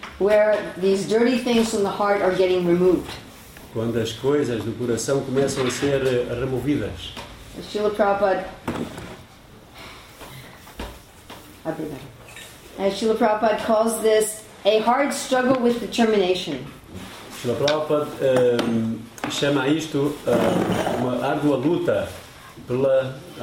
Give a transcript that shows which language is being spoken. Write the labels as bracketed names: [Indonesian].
[English] where these dirty things from the heart are getting removed. [Portuguese] Quando as coisas do coração começam a ser removidas. [English] Srila Prabhupada, Srila Prabhupada calls this a hard struggle with determination. [Portuguese] Srila Prabhupada chama isto uma árdua luta pela